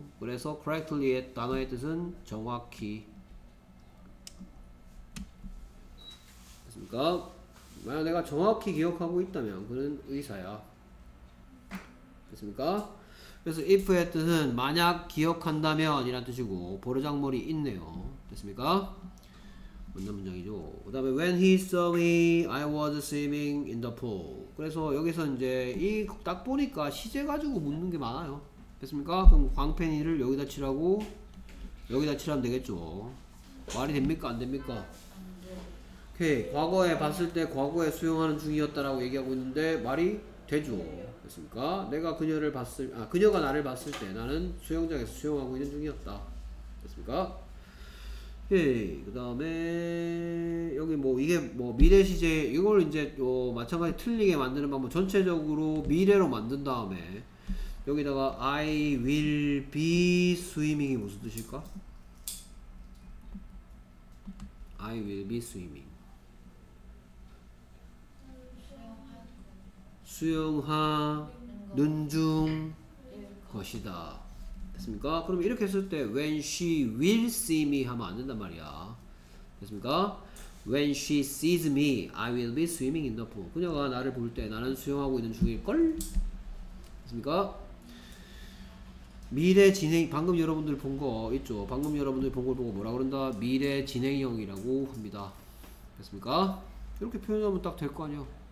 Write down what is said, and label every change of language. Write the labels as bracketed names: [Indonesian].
[Korean] 그래서 correctly의 단어의 뜻은 정확히 됐습니까? 만약 내가 정확히 기억하고 있다면 그는 의사야. 됐습니까? 그래서 if의 뜻은 만약 기억한다면 이란 뜻이고 보르장머리 있네요. 됐습니까? 먼저 문장이죠. [English] 그 다음에 when he saw me I was swimming in the pool. [Korean] 그래서 여기서 이제 이 딱 보니까 시제 가지고 묻는 게 많아요. 됐습니까? 그럼 광팬이를 여기다 칠하고 여기다 칠하면 되겠죠 말이 됩니까? 안 됩니까? 오케이 과거에 봤을 때 과거에 수용하는 중이었다라고 얘기하고 있는데 말이 되죠 그렇습니까? 내가 그녀를 봤을 아 그녀가 나를 봤을 때 나는 수영장에서 수영하고 있는 중이었다. 그렇습니까? 예. 그다음에 여기 뭐 이게 뭐 미래 시제 이걸 이제 어 마찬가지 틀리게 만드는 방법 전체적으로 미래로 만든 다음에 여기다가 I will be swimming 이 무슨 뜻일까? [English] I will be swimming. [Korean] 수영하는 중 것이다. 됐습니까? 그럼 이렇게 했을 때 when she will see me 하면 안 된단 말이야. 됐습니까? [English] When she sees me, I will be swimming in the pool. [Korean] 그녀가 나를 볼 때 나는 수영하고 있는 중일 걸. 됐습니까? 미래 진행 방금 여러분들 본 거 있죠? 방금 여러분들 본 걸 보고 뭐라 그런다? 미래 진행형이라고 합니다. 됐습니까? 이렇게 표현하면 딱 될 거 아니야.